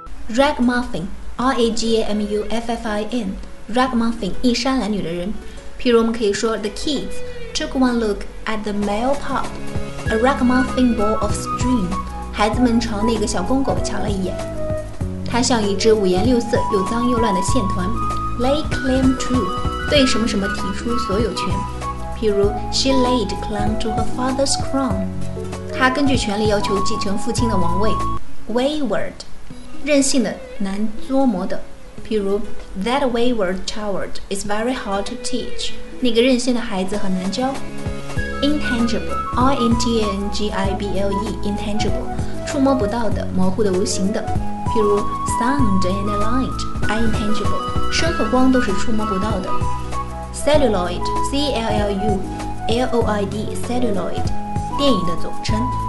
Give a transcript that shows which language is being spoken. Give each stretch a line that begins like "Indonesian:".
English: Ragamuffin, R-A-G-A-M-U-F-F-I-N, Ragamuffin,
Chinese: 衣衫褴褛的人。譬如我们可以说
English: The kids took one look at the male pop. A ragamuffin ball of string.
Chinese: 孩子们朝那个小公狗瞧了一眼，它像一只五颜六色又脏又乱的线团。
English: Lay claim to.
Chinese: 对什么什么提出所有权。
English: 譬如 She laid claim to her father's crown.
Chinese: 她根据权力要求继承父亲的王位。 Wayward. 任性的，难捉摸的。
English: 譬如 That wayward child is very hard to teach.
Chinese: 那个任性的孩子很难教。
English: Intangible, I-N-T-A-N-G-I-B-L-E, intangible,
Chinese: 触摸不到的，模糊的，无形的。譬如
English: sound and light, are intangible,
Chinese: 声和光都是触摸不到的。
English: Celluloid, C-L-L-U-L-O-I-D, celluloid,
Chinese: 电影的总称。